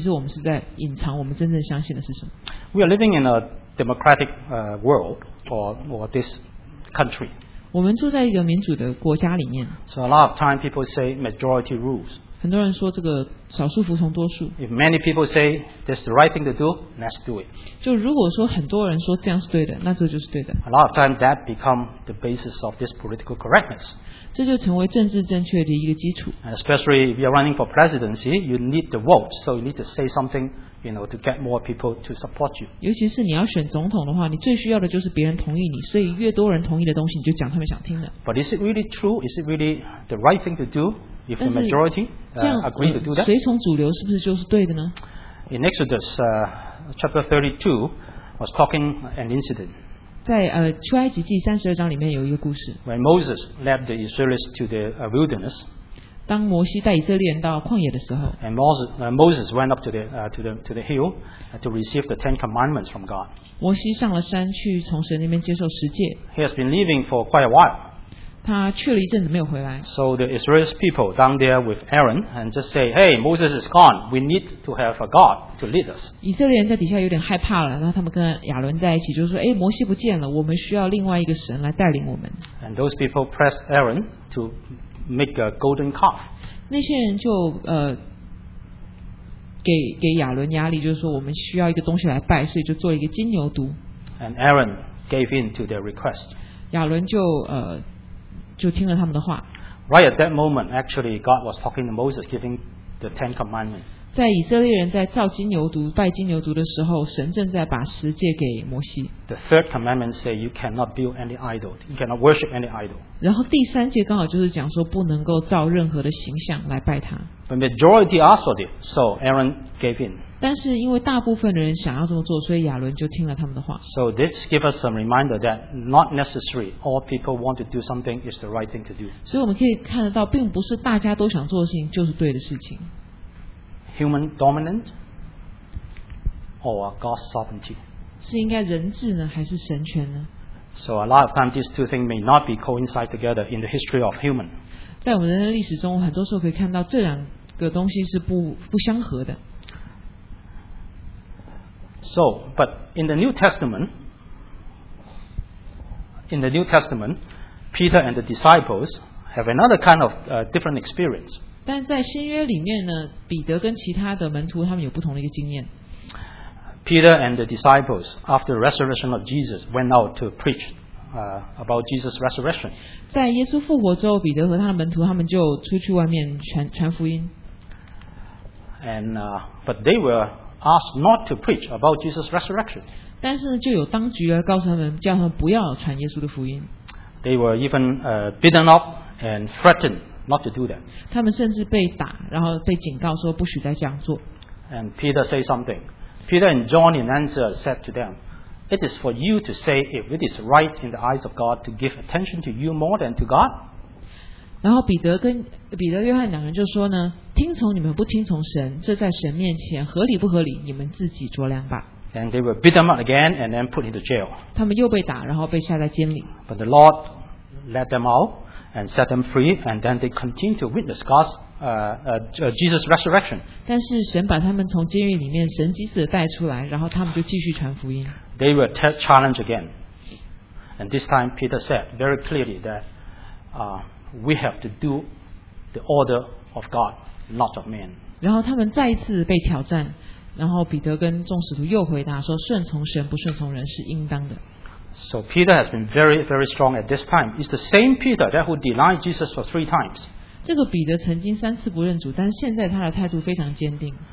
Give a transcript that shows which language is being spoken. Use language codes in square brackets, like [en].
[zh] 所以当我们跟人家讲话的时候,用政治正确的词句的时候,其实我们是在隐藏我们真正相信的是什么? [en] We are living in a democratic world, or this country. [zh] 我们住在一个民主的国家里面。 [en] So a lot of time people say majority rules. [zh] 很多人说这个少数服从多数。 [en] If many people say this is the right thing to do, let's do it. [zh] 就如果说很多人说这样是对的,那这就是对的。 [en] A lot of time that becomes the basis of this political correctness. [zh] 这就成为政治正确的一个基础。 [en] Especially if you're running for presidency, you need the vote, so you need to say something, you know, to get more people to support you. [zh] 尤其是你要选总统的话,你最需要的就是别人同意你,所以越多人同意的东西,你就讲他们想听的。 [en] But is it really true? Is it really the right thing to do? If the majority agree to do that? [zh] 谁从主流是不是就是对的呢? [en] In Exodus chapter 32 was talking an incident. [zh] 在出埃及记三十二章里面有一个故事。 [en] When Moses led the Israelites to the wilderness, [zh] 当摩西带以色列人到旷野的时候 [en] ，and Moses went up to the hill to receive the Ten Commandments from God. [zh] 摩西上了山去从神那边接受十诫。 [en] He has been leaving for quite a while. [zh] 他去了一阵子没有回来。 [en] So the Israelite people down there with Aaron and just say, "Hey, Moses is gone. We need to have a God to lead us." [zh] 以色列人在底下有点害怕了，然后他们跟亚伦在一起，就说：“哎，摩西不见了，我们需要另外一个神来带领我们。 [en] ”And those people pressed Aaron to make a golden calf. [zh] 那些人就给亚伦压力，就是说我们需要一个东西来拜，所以就做一个金牛犊。 [en] And Aaron gave in to their request. [zh] 亚伦就听了他们的话。 [en] Right at that moment, actually, God was talking to Moses, giving the Ten Commandments. [zh] 在以色列人在造金牛犊、拜金牛犊的时候，神正在把十诫给摩西。 [en] The third commandment says you cannot build any idol, you cannot worship any idol. [zh] 然后第三诫刚好就是讲说不能够造任何的形象来拜他。 [en] The majority asked for it, so Aaron gave in. [zh] 但是因为大部分的人想要这么做，所以亚伦就听了他们的话。 [en] So this gives us some reminder that not necessary all people want to do something is the right thing to do. [zh] 所以我们可以看得到，并不是大家都想做的事情就是对的事情。 [en] Human dominant or God's sovereignty? [zh] 是应该人治呢，还是神权呢？ [en] So a lot of times these two things may not be coincide together in the history of human. [zh] 在我们人类历史中，很多时候可以看到这两个东西是不相合的。 [en] So, but in the New Testament, Peter and the disciples have another kind of different experience. [zh] 但在新约里面呢，彼得跟其他的门徒他们有不同的一个经验。 [en] Peter and the disciples after the resurrection of Jesus went out to preach about Jesus' resurrection. [zh] 在耶稣复活之后，彼得和他的门徒他们就出去外面传福音。 [en] And but they were asked not to preach about Jesus' resurrection. [zh] 但是就有当局来告诉他们，叫他们不要传耶稣的福音。 [en] They were even beaten up and threatened. Not to do that. [zh] 他们甚至被打，然后被警告说不许再这样做。 [en] And Peter said something. Peter and John in answer said to them, "It is for you to say if it is right in the eyes of God to give attention to you more than to God." [zh] 然后彼得、约翰两人就说呢，听从你们不听从神，这在神面前合理不合理，你们自己酌量吧。 [en] And they were beaten up again and then put into jail. [zh] 他们又被打，然后被下在监里。 [en] But the Lord let them out. And set them free, and then they continue to witness God's Jesus' resurrection. [zh] 但是神把他们从监狱里面神迹似的带出来，然后他们就继续传福音。 [en] They were challenged again, and this time Peter said very clearly that we have to do the order of God, not of man. [zh] 然后他们再一次被挑战，然后彼得跟众使徒又回答说：顺从神，不顺从人是应当的。 [en] So Peter has been very, very strong at this time. It's the same Peter that who denied Jesus for three times. [zh] 这个彼得曾经三次不认主，但是现在他的态度非常坚定。